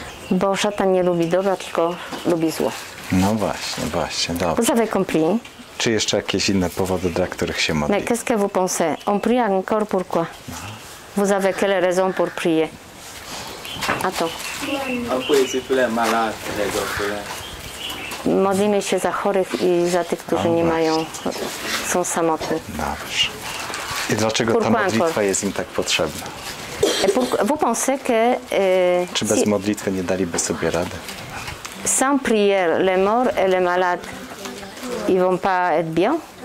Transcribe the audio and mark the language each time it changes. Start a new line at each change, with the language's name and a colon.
Polish: Bo szatan nie lubi dobra, tylko lubi zło. No właśnie, właśnie, dobrze.
French: Vous avez compris?
Polish: Czy jeszcze jakieś inne powody, dla których się modli?
French: Mais qu'est-ce que vous pensez? On prie encore pourquoi? Vous avez quelle raison pour prier?
Polish: A to?
French: On prie si tu les malades, les orphelins.
Polish: Modlimy się za chorych i za tych, którzy nie mają, są samotni. Dobrze. I dlaczego ta modlitwa jest im tak potrzebna?
French: Vous pensez que,
Polish: czy bez modlitwy nie daliby sobie rady?
French: Sans prière, les morts et les malades, ils vont pas être bien?